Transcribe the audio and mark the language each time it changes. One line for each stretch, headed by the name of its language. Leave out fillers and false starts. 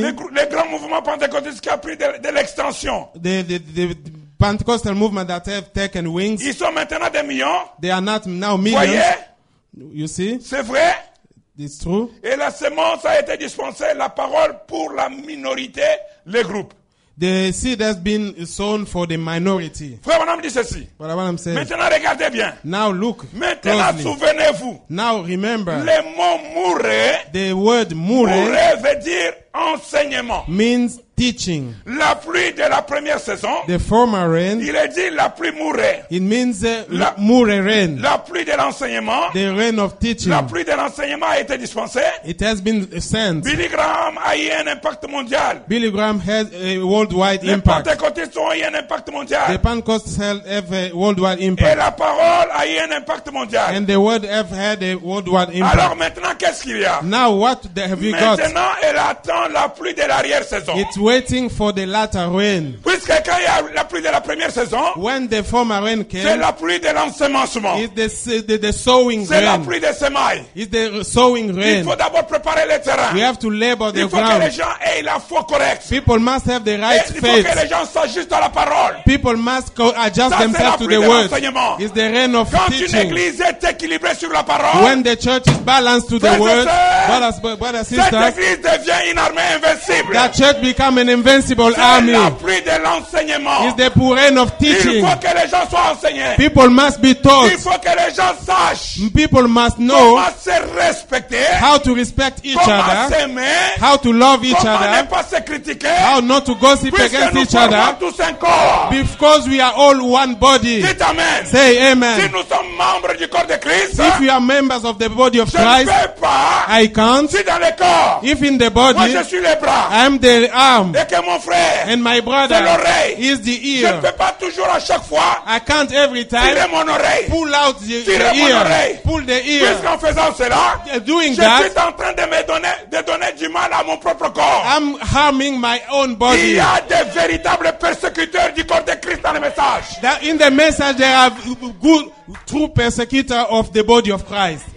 French: Le grand mouvement pentecôtiste qui a pris de l'extension.
English: The Pentecostal movement that have taken wings.
French: Ils sont maintenant des millions.
English: They are not now millions.
French: Voyez.
English: You see.
French: C'est vrai.
English: It's true.
French: Et la semence a été dispensée, la parole pour la minorité, le groupe.
English: The seed has been sown for the minority.
French: Frère Branham dit ceci.
English: But I want to say.
French: Maintenant regardez bien.
English: Now look.
French: Maintenant
English: closely.
French: Souvenez-vous.
English: Now remember.
French: Le mot mouré.
English: The word mouré.
French: Mouré veut dire enseignement.
English: Means teaching.
French: La pluie de la première saison.
English: The former rain.
French: Il est dit la pluie mourée.
English: It means la mourée rain.
French: La pluie de l'enseignement.
English: The rain of teaching.
French: La pluie de l'enseignement a été dispensée.
English: It has been sent.
French: Billy Graham a eu un impact mondial.
English: Billy Graham has a worldwide
French: Les
English: impact.
French: Les Pentecôtistes ont eu un impact mondial.
English: The Pentecostals have a worldwide impact.
French: Et la parole a eu un impact mondial.
English: And the word have had a worldwide impact.
French: Alors maintenant qu'est-ce qu'il y a?
English: Now what have you
French: maintenant,
English: got?
French: Maintenant elle attend la pluie de l'arrière saison.
English: It's waiting for the latter rain.
French: Puisque quand il y a la pluie de la première saison,
English: when the former rain came,
French: c'est la pluie de l'ensemencement.
English: It's the sowing
French: c'est C'est la pluie de semailles.
English: It's the sowing rain.
French: Il faut d'abord préparer le terrain.
English: We have to labor the
French: ground. Il faut que les gens aient la foi correcte.
English: People must have the right faith.
French: Il faut que les gens s'ajustent à la parole.
English: People must adjust
French: ça,
English: themselves to the word. It's the rain of
French: quand
English: teaching.
French: Quand une église est équilibrée sur la parole,
English: when the church is balanced to the word, brothers, sisters,
French: cette église devient une armée invincible.
English: That church becomes an invincible
French: c'est
English: army.
French: La pluie de l'enseignement.
English: It's the pouring of teaching.
French: Il faut que les gens soient enseignés.
English: People must be taught.
French: Il faut que les gens sachent.
English: People must know.
French: Comment se respecter.
English: How to respect each
French: comment
English: other.
French: S'aimer.
English: How to love each
French: comment
English: other.
French: Ne pas se critiquer.
English: How not to gossip
French: puisque
English: against each other.
French: Tous un corps.
English: Because we are all one body.
French: Dites amen.
English: Say amen.
French: Si nous sommes membres du corps de Christ.
English: If we are members of the body of Christ.
French: Je ne peux pas.
English: I can't.
French: Si dans le corps.
English: If in the body.
French: Moi je suis les bras.
English: I am the arm.
French: Et que mon frère,
English: and my brother,
French: c'est l'oreille,
English: is the ear.
French: Je ne peux pas toujours à chaque fois,
English: I can't every time,
French: tirer mon oreille,
English: pull out the
French: mon
English: ear,
French: oreille.
English: Pull the ear.
French: Puisqu'en faisant cela,
English: doing
French: je
English: that,
French: suis en train de me donner du mal à mon propre corps.
English: I'm harming my own body.
French: Il y a des véritables persécuteurs du corps de Christ dans le message.
English: That in the message, there are good, true persecutors of the body of Christ.